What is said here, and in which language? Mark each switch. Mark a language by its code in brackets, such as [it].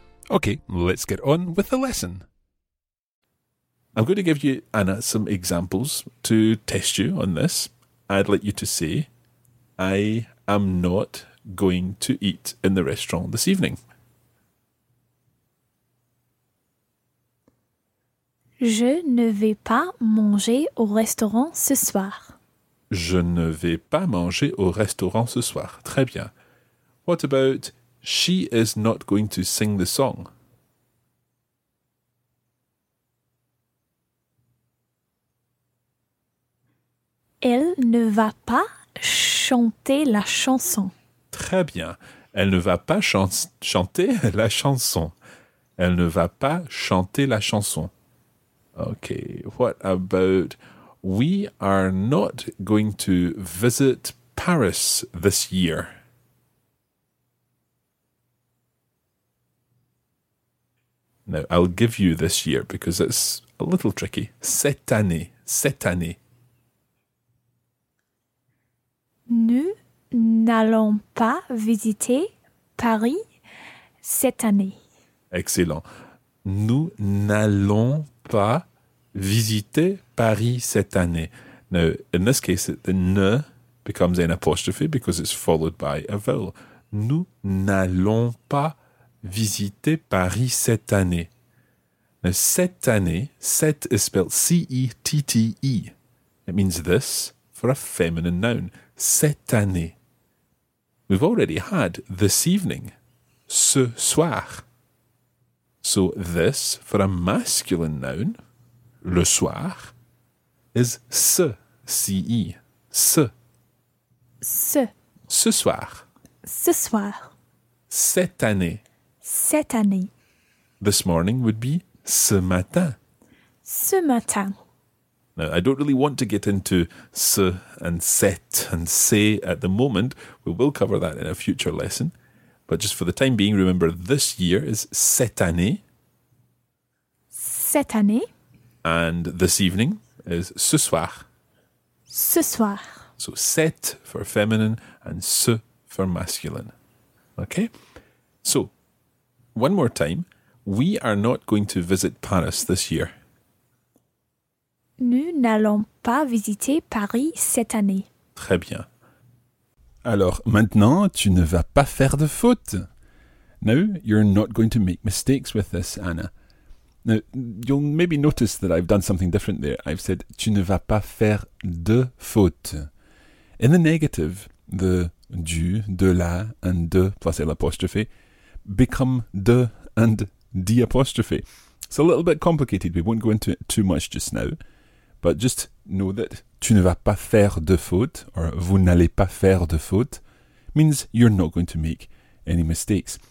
[en] Okay, let's get on with the lesson. I'm going to give you, Anna, some examples to test you on this. I'd like you to say, I am not going to eat in the restaurant this evening. [fr] Je ne vais pas manger au restaurant ce soir. Je ne vais pas manger au restaurant ce soir. Très bien. [en] What about, she is not going to sing the song? [fr] Elle ne va pas chanter la chanson. Très bien. Elle ne va pas chanter la chanson. Elle ne va pas chanter la chanson. [en] OK. What about, we are not going to visit Paris this year? Now, I'll give you this year because it's a little tricky. [fr] Cette année. Cette année. Nous n'allons pas visiter Paris cette année. Excellent. Nous n'allons pas visiter Paris cette année. [en] Now, in this case, the ne becomes an apostrophe because it's followed by a vowel. [fr] Nous n'allons pas visiter Paris cette année. [en] Now, cette année, cette is spelled C-E-T-T-E. It means this for a feminine noun. [fr] Cette année. [en] We've already had this evening. [fr] Ce soir. [en] So this, for a masculine noun, le soir, is ce, C-E, ce. [fr] Ce. Ce soir. Ce soir. Cette année. Cette année. [en] This morning would be [fr] ce matin. Ce matin. [en] Now, I don't really want to get into ce and set and say at the moment. We will cover that in a future lesson. But just for the time being, remember this year is [fr] cette année. Cette année. [en] And this evening is ce soir. [fr] Ce soir. [en] So cet for feminine and ce for masculine. Okay? So, one more time. We are not going to visit Paris this year. [fr] Nous n'allons pas visiter Paris cette année. Très bien. Alors, maintenant, tu ne vas pas faire de faute. [en] Now, you're not going to make mistakes with this, Anna. Now, you'll maybe notice that I've done something different there. I've said, [fr] tu ne vas pas faire de faute. [en] In the negative, the du, de la, and de plus l'apostrophe become de and de apostrophe. It's a little bit complicated. We won't go into it too much just now. But just know that [fr] tu ne vas pas faire de faute, [en] or [fr] vous n'allez pas faire de faute, [en] means you're not going to make any mistakes.